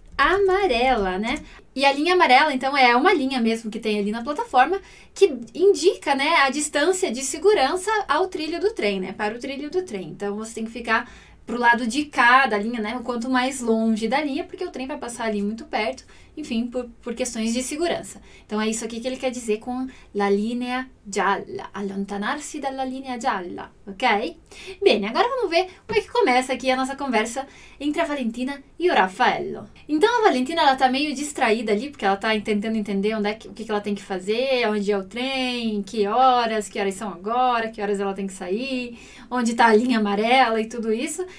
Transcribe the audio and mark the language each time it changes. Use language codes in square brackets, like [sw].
[pt] Amarela, né? E a linha amarela, então, é uma linha mesmo que tem ali na plataforma que indica, né, a distância de segurança ao trilho do trem, né? Para o trilho do trem. Então, você tem que ficar pro lado de cá da linha, né? O quanto mais longe da linha, porque o trem vai passar ali muito perto, enfim, por questões de segurança. Então, é isso aqui que ele quer dizer com la linea gialla. [it] Allontanarsi dalla linea gialla, ok? [pt] Bene, agora vamos ver como é que começa aqui a nossa conversa entre a Valentina e o Raffaello. Então, a Valentina, ela tá meio distraída ali, porque ela tá tentando entender onde é que, o que ela tem que fazer, onde é o trem, que horas são agora, que horas ela tem que sair, onde tá a linha amarela e tudo isso.